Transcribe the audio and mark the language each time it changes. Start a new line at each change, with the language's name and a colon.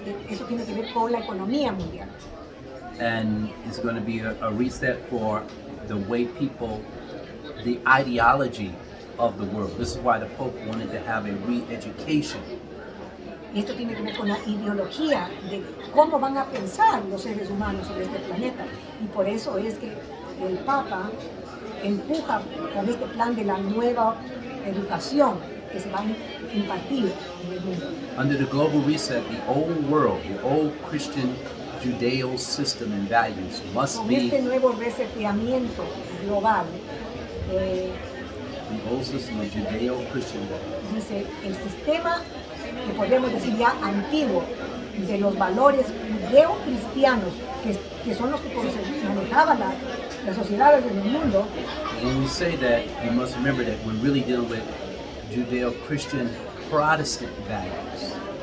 Spanish: Eso tiene que ver con la economía mundial.
English: And it's going to be a reset for the way people, the ideology of the world. This is why the Pope wanted to have a re-education.
Spanish: Esto tiene que ver con la ideología de cómo van a pensar los seres humanos sobre este planeta. Y por eso es que el Papa empuja con este plan de la nueva educación que se va a impartir en el mundo.
English: Under the global reset, the old world, the old Christian Judeo system and values must
Spanish: con
English: be.
Spanish: Este nuevo reseteamiento global.
English: The old system of Judeo Christian values.
Spanish: Dice el sistema que podríamos decir ya antiguo, de los valores judeo-cristianos, que son los que manejaban la sociedad en el mundo.
English: When we say that, you must remember that we're really dealing with Judeo-Christian Protestant values.